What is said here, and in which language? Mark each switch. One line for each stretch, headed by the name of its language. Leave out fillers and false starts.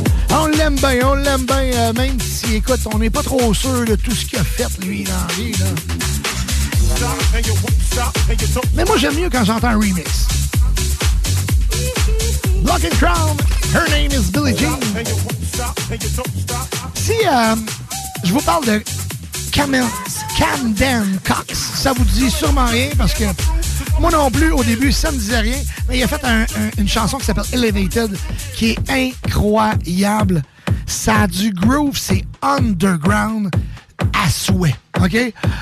French: On l'aime bien, même si, écoute, on n'est pas trop sûr de tout ce qu'il a fait, lui, dans la vie, là. Mais moi, j'aime mieux quand j'entends un remix.
English: Lock and Crown, Her name is Billie Jean.
French: Si je vous parle de Camden Cox, ça vous dit sûrement rien, parce que moi non plus, au début, ça me disait rien, mais il a fait une chanson qui s'appelle Elevated, qui est incroyable. Ça a du groove, c'est underground à souhait, OK?